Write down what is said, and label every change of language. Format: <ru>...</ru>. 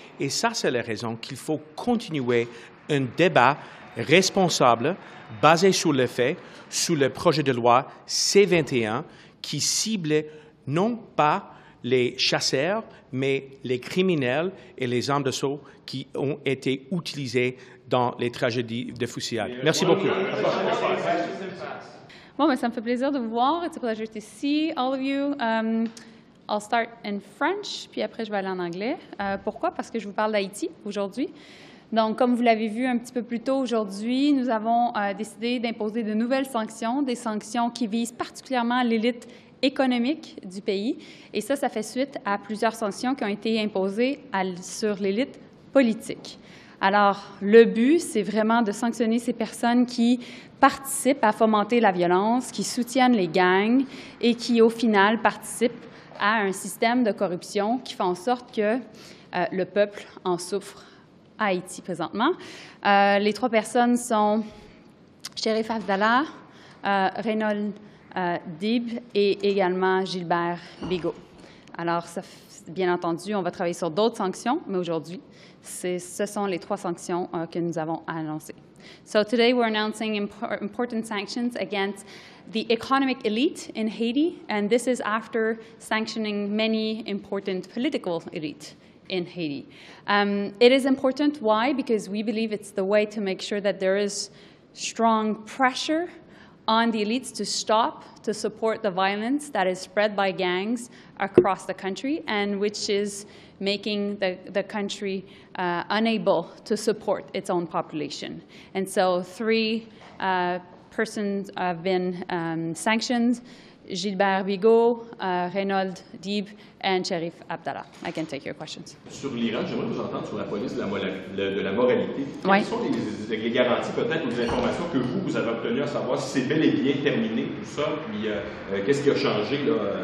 <fr>Et ça, c'est la raison qu'il faut continuer un débat responsable, basé sur les faits, sur le projet de loi C-21, qui cible non pas les chasseurs, mais les criminels et les armes de saut qui ont été utilisées dans les tragédies de fusillades. Merci beaucoup. Bon, mais ça me fait plaisir de vous voir.</fr> <en>It's a pleasure to see all of you. I'll start in French,</en> <fr>puis après je vais aller en anglais. Pourquoi? Parce que je vous parle d'Haïti aujourd'hui. Donc, comme vous l'avez vu un petit peu plus tôt aujourd'hui, nous avons décidé d'imposer de nouvelles sanctions, des sanctions qui visent particulièrement l'élite économique du pays. Et ça, ça fait suite à plusieurs sanctions qui ont été imposées sur l'élite politique. Alors, le but, c'est vraiment de sanctionner ces personnes qui participent à fomenter la violence, qui soutiennent les gangs et qui, au final, participent à un système de corruption qui fait en sorte que le peuple en souffre à Haïti présentement. Les trois personnes sont Sheriff Abdallah, Reynold Dib et également Gilbert Bigot. Alors, ça, bien entendu, on va travailler sur d'autres sanctions, mais aujourd'hui, ce sont les trois sanctions que nous avons annoncées.</fr> <en>So today we're announcing important sanctions against the economic elite in Haiti, and this is after sanctioning many important political elite in Haiti. It is important, why? Because we believe it's the way to make sure that there is strong pressure on the elites to stop, to support the violence that is spread by gangs across the country and which is making the country unable to support its own population. And so three persons have been sanctioned, Gilbert Bigot, Reynold Dib, and Sheriff Abdallah. I can take your questions.</en> <fr>Sur l'Iran, j'aimerais vous entendre sur la police de la moralité. Quelles sont les garanties, peut-être, ou les informations que vous avez obtenues à savoir si c'est bel et bien terminé, tout ça, puis qu'est-ce qui a changé, là,</fr>